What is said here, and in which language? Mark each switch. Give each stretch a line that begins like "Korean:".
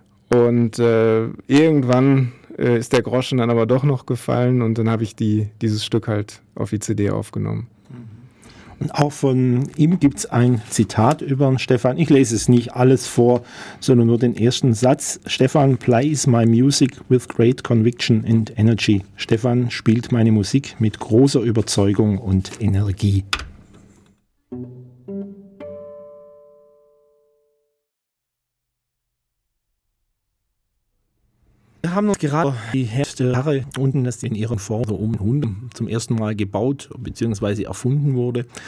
German: Und irgendwann ist der Groschen dann aber doch noch gefallen und dann habe ich dieses Stück halt auf die CD aufgenommen. Und auch von ihm gibt es ein Zitat über Stefan. Ich lese es nicht alles vor, sondern nur den ersten Satz.
English: Stefan plays my music with great conviction and energy.
German: Stefan spielt meine Musik mit großer Überzeugung und Energie. Wir haben gerade die Herstellerei unten, das in ihrem Form so um 100 zum ersten Mal gebaut bzw. erfunden wurde.